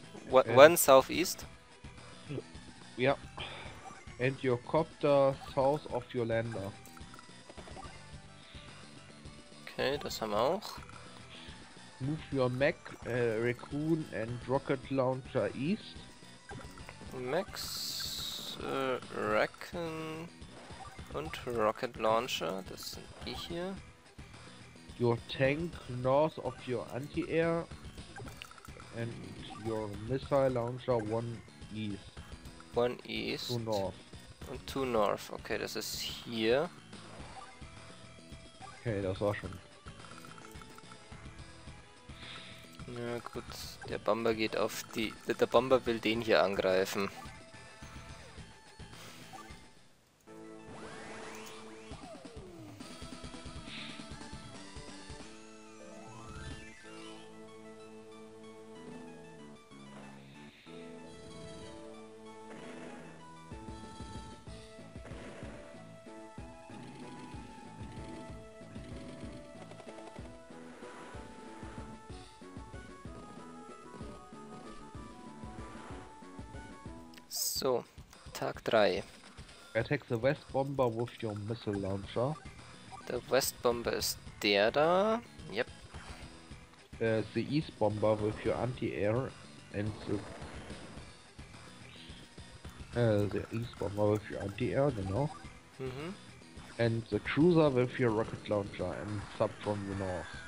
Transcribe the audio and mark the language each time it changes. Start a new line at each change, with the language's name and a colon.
English: One south east? Yeah. And your copter south of your lander.
German: Okay, das haben wir auch.
English: Move your mech, raccoon and rocket launcher east.
German: Mechs, raccoon und rocket launcher, das sind die hier.
English: Your tank north of your anti-air and your missile launcher one east. One east. To north.
German: Und
English: to north.
German: Okay, das ist hier. Okay, das war schon. Na gut, der Bomber geht auf die. Der Bomber will den hier angreifen. So, Tag 3.
English: Attack the West Bomber with your missile launcher.
German: The West Bomber ist der da.
English: Yep. The East Bomber with your anti-air and the... the East Bomber with your anti-air, genau. Mhm. And the Cruiser with your rocket launcher and sub from the north.